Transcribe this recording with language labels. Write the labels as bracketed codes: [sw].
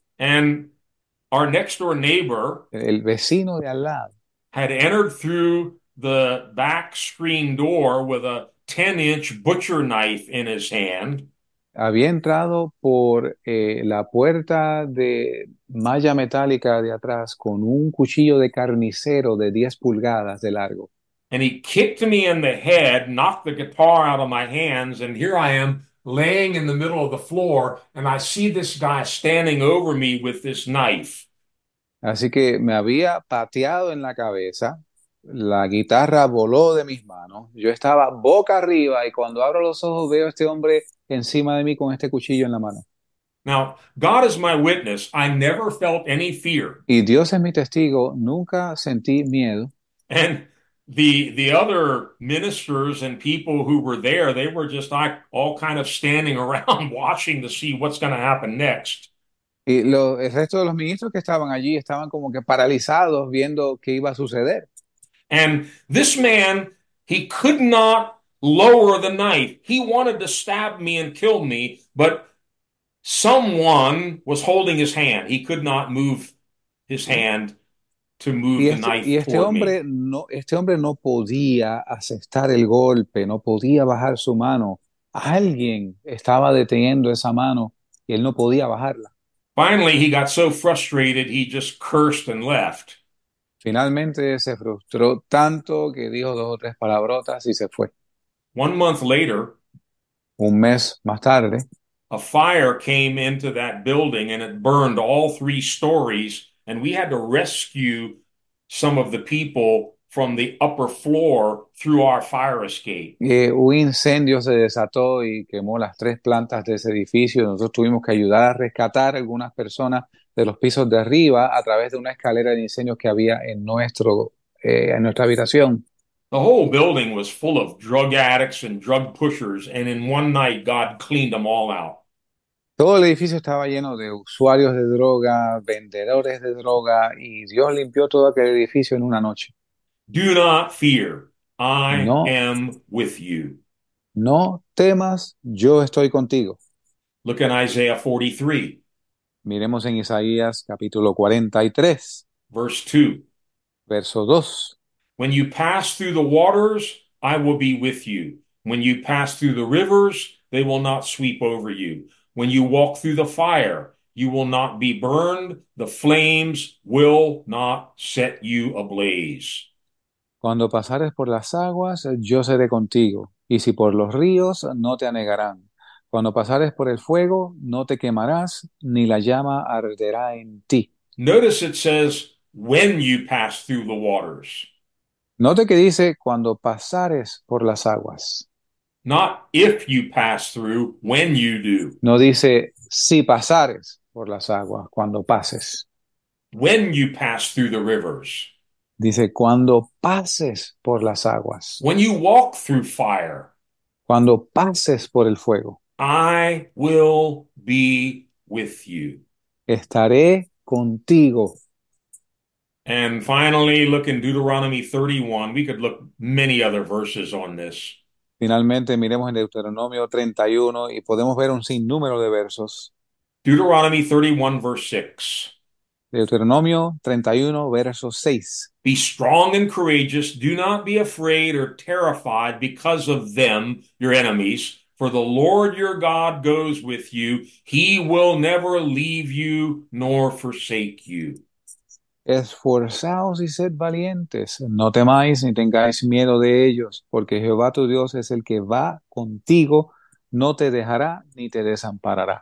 [en] And our next door neighbor [es] El vecino de al lado. [en] had entered through the back screen door with a 10-inch butcher knife in his hand. [es] Había entrado por la puerta de malla metálica de atrás con un cuchillo de carnicero de 10 pulgadas de largo. [en] And he kicked me in the head, knocked the guitar out of my hands, and here I am laying in the middle of the floor, and I see this guy standing over me with this knife. [es] Así que me había pateado en la cabeza. La guitarra voló de mis manos. Yo estaba boca arriba y cuando abro los ojos veo a este hombre encima de mí con este cuchillo en la mano. [en] Now, God is my witness. I never felt any fear. [es] Y Dios es mi testigo, nunca sentí miedo. [en] And the other ministers and people who were there, they were just like all kind of standing around watching to see what's going to happen next. [es] Y el resto de los ministros que estaban allí estaban como que paralizados viendo qué iba a suceder. [en] And this man, he could not lower the knife. He wanted to stab me and kill me, but someone was holding his hand. He could not move his hand to move [es] Y [en] the knife toward me. [es] este hombre no podía aceptar el golpe, no podía bajar su mano. Alguien estaba deteniendo esa mano y él no podía bajarla. [en] Finally, he got so frustrated he just cursed and left. [es] Finalmente se frustró tanto que dijo dos o tres palabrotas y se fue. [en] One month later, [es] Un mes más tarde. [en] a fire came into that building and it burned all three stories, and we had to rescue some of the people from the upper floor through our fire escape. [es] Un incendio se desató y quemó las tres plantas de ese edificio. Nosotros tuvimos que ayudar a rescatar a algunas personas de los pisos de arriba a través de una escalera de incendios que había en nuestra habitación. [en] The whole building was full of drug addicts and drug pushers, and in one night, God cleaned them all out. [es] Todo el edificio estaba lleno de usuarios de droga, vendedores de droga, y Dios limpió todo aquel edificio en una noche. [en] Do not fear, I [es] No, [en] am with you. [es] no temas, yo estoy contigo. [en] Look in Isaiah 43, [es] Miremos en Isaías capítulo 43, [en] verse 2. [es] verso 2. [en] When you pass through the waters, I will be with you. When you pass through the rivers, they will not sweep over you. When you walk through the fire, you will not be burned. The flames will not set you ablaze. [es] Cuando pasares por las aguas, yo seré contigo, y si por los ríos, no te anegarán. Cuando pasares por el fuego, no te quemarás, ni la llama arderá en ti. [en] Notice it says, when you pass through the waters. [es] Note que dice cuando pasares por las aguas. [en] Not if you pass through, when you do. [es] No dice si pasares por las aguas, cuando pases. [en] When you pass through the rivers. [es] Dice, cuando pases por las aguas, [en] When you walk through fire, [es] cuando pases por el fuego, [en] I will be with you. [es] estaré contigo. [en] And finally, look in Deuteronomy 31. We could look many other verses on this. [es] Finalmente, miremos en Deuteronomio 31 y podemos ver un sinnúmero de versos. [en] Deuteronomy 31, verse 6. [es] Deuteronomio 31, verso 6. [en] Be strong and courageous. Do not be afraid or terrified because of them, your enemies, for the Lord your God goes with you. He will never leave you nor forsake you. [es] Esforzaos y sed valientes, no temáis ni tengáis miedo de ellos, porque Jehová tu Dios es el que va contigo, no te dejará ni te desamparará.